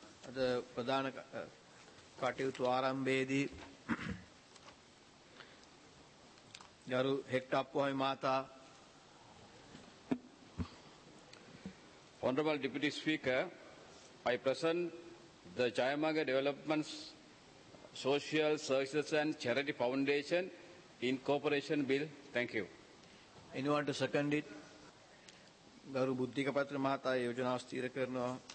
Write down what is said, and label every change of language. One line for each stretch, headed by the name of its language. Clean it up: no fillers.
Sinhala: අද ප්‍රධාන කටයුතු ආරම්භයේදී ගරු හෙක්ටප්පුවමි මාතා
English: Honorable Deputy Speaker, I present the Jayamaga Developments Social Services and Charity Foundation Incorporation Bill. Thank you. Anyone to second it?
Sinhala: ගරු බුද්ධික පත්‍ර මාතා යෝජනා ස්ථිර කරනවා.